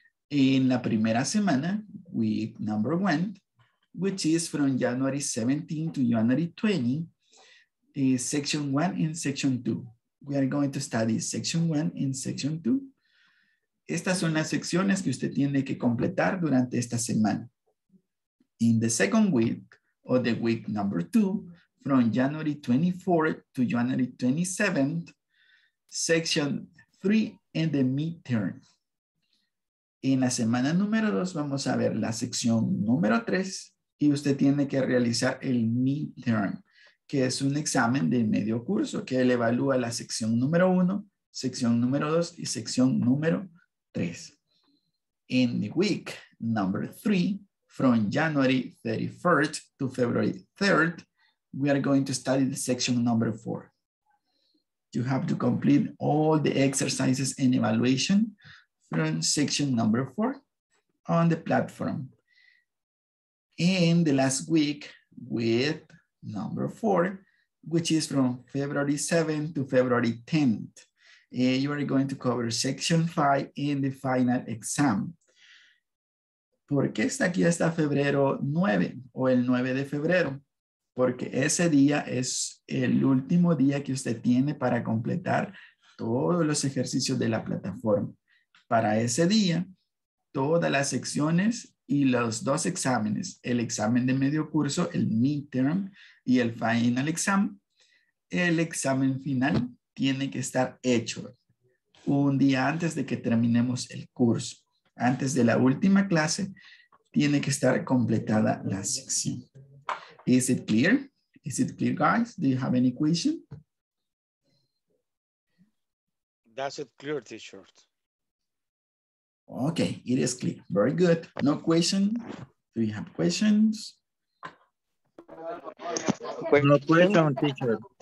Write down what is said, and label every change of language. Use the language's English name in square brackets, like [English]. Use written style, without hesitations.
[Spanish] En la primera semana, [English] week number 1, which is from January 17 to January 20, section 1 and section 2. We are going to study section 1 and section 2. [Spanish] Estas son las secciones que usted tiene que completar durante esta semana. [English] In the second week, or the week number 2, from January 24th to January 27th, section 3 and the midterm. [Spanish] En la semana número 2, vamos a ver la sección número 3 y usted tiene que realizar el midterm, que es un examen de medio curso que él evalúa la sección número 1, sección número 2 y sección número 3. [English] In the week number 3, from January 31st to February 3rd, we are going to study the section number 4. You have to complete all the exercises and evaluation from section number 4 on the platform. In the last week with number 4, which is from February 7th to February 10th. You are going to cover section 5 in the final exam. [Spanish] ¿Por qué está aquí hasta febrero 9 o el 9 de febrero? Porque ese día es el último día que usted tiene para completar todos los ejercicios de la plataforma. Para ese día, todas las secciones y los dos exámenes, el examen de medio curso, el midterm, y el final exam, el examen final tiene que estar hecho un día antes de que terminemos el curso. Antes de la última clase, tiene que estar completada la sección. [English] Is it clear? Is it clear, guys? Do you have any question? That's it clear, teacher. Okay, it is clear. Very good. No question. Do you have questions? No question, teacher.